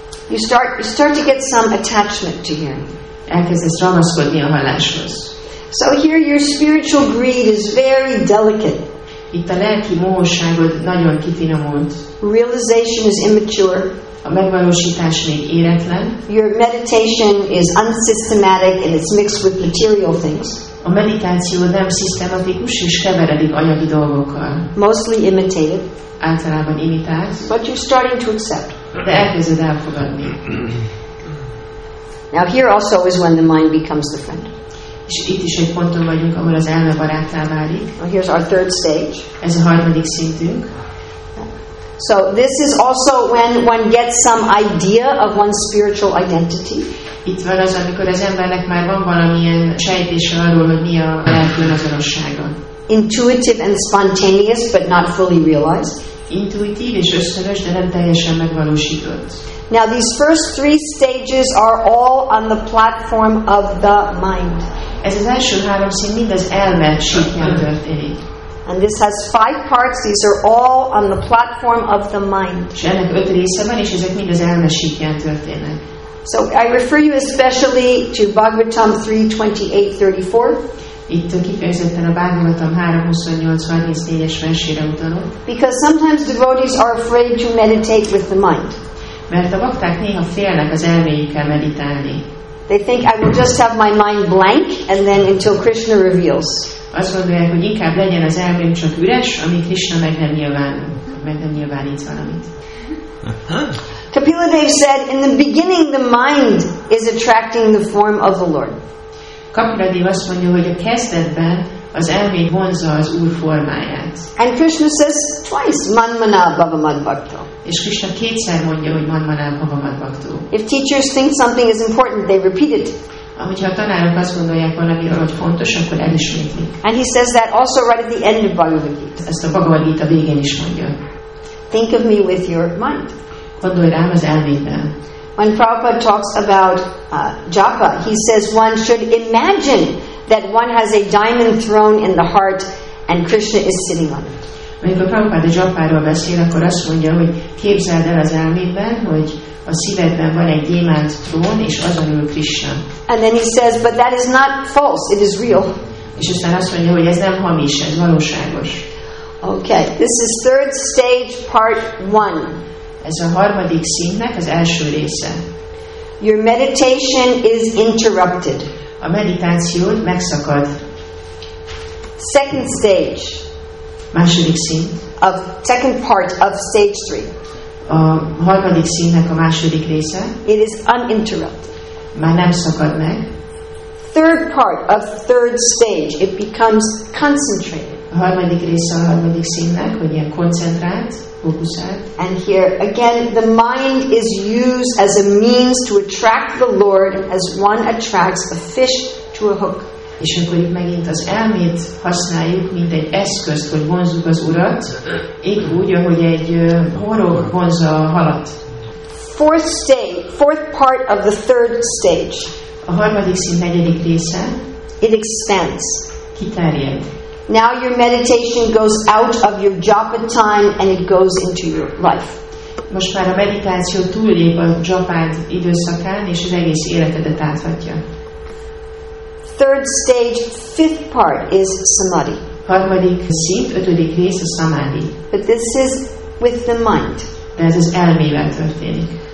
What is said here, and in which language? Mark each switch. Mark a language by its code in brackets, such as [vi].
[en] You start to get some attachment to hearing. [hu] Elkezdesz ramaszkodni a halláshoz. [en] So here your spiritual greed is very delicate. [hu] Itt a lelki mohosságod nagyon kifinomult. [en] Realization is immature. [hu] A megvalósítás még éretlen. [en] Your meditation is unsystematic and it's mixed with material things. [hu] A meditáció nem szisztematikus és keveredik anyagi dolgokkal. [en] Mostly imitative. [hu] Általában imitált. [en] But you're starting to accept. [hu] De elkezded elfogadni. [en] Now here also is when the mind becomes different. [hu] És itt is egy ponton vagyunk, ahol az elme baráttá válik. [en] Well, here's our third stage. [hu] Ez a harmadik szintünk. [en] So this is also when one gets some idea of one's spiritual identity. [hu] Itt van az, amikor az embernek már van valamilyen sejtése arról, hogy mi a lelki azonossága. [en] Intuitive and spontaneous, but not fully realized. [hu] Intuitív és ösztönös, de nem teljesen megvalósított. [en] Now these first three stages are all on the platform of the mind. [hu] Ez az első három szint mind az elme síkján történik. [en] And this has five parts. These are all on the platform of the mind. [hu] És ennek öt része van, és ezek mind az elme síkján történnek. [en] So I refer you especially to Bhagavatam 3:28-34. [hu] Itt kifejezetten a Bhagavatam 3:28-34-es versére utalok. [en] Because sometimes devotees are afraid to meditate with the mind. [hu] Mert a bakták néha félnek az elméjükkel meditálni. [en] They think I will just have my mind blank and then until Krishna reveals. [hu] Azt gondolják, hogy inkább legyen az elmém csak üres, amíg Krishna meg nem nyilvánít valamit. [en] Kapila Dev said, in the beginning the mind is attracting the form of the Lord. [hu] Kapila Dev azt mondja, hogy a kezdetben az elmém vonza az Úr formáját. [en] And Krishna says twice, [sa] manmana bhavamad bhakto. [hu] És Krishna kétszer mondja, hogy [sa] manmana bhavamad bhakto. [en] If teachers think something is important, they repeat it. [hu] Amikor a tanárok azt gondolják valamiről, hogy fontos, akkor elismétlik. [en] And he says that also right at the end of Bhagavad Gita. [hu] Ezt a Bhagavad Gita végén is mondja. [en] Think of me with your mind. [hu] Gondolj rám az elméddel. [en] When Prabhupada talks about japa, he says one should imagine that one has a diamond throne in the heart and Krishna is sitting on it. [hu] Amikor Prabhupada japáról beszél, akkor azt mondja, hogy képzeld el az elmédben, hogy a szívedben van egy gyémánt trón, és azon ül Krishna. [en] And then he says, but that is not false, it is real. [hu] És aztán azt mondja, hogy ez nem hamis, ez valóságos. [en] Okay, this is third stage, part one. [hu] Ez a harmadik szintnek az első része. [en] Your meditation is interrupted. [hu] A meditáció megszakad. [en] Second stage. [hu] Második szint. [en] Of second part of stage three. [hu] A harmadik szintnek a második része. [en] It is uninterrupted. [hu] Már nem szakad meg. [en] Third part of third stage. It becomes concentrated. [hu] A harmadik része a harmadik szintnek, hogy ilyen koncentrált. [en] And here again, the mind is used as a means to attract the Lord, as one attracts a fish to a hook. [hu] És akkor itt megint az elmét használjuk, mint egy eszközt, hogy vonzzuk az Urat, így úgy, ahogy egy horog vonza a halat. [en] Fourth stage, fourth part of the third stage. [hu] A harmadik szint negyedik része. [en] It expands. [hu] Kiterjed. [en] Now your meditation goes out of your japa time and it goes into your life. [hu] Most már a meditáció túllép a japád időszakán és az egész életedet áthatja. [en] Third stage, fifth part is samadhi. [hu] Harmadik szint, ötödik rész a samadhi. [en] But this is with the mind. [hu] De ez az elmével történik.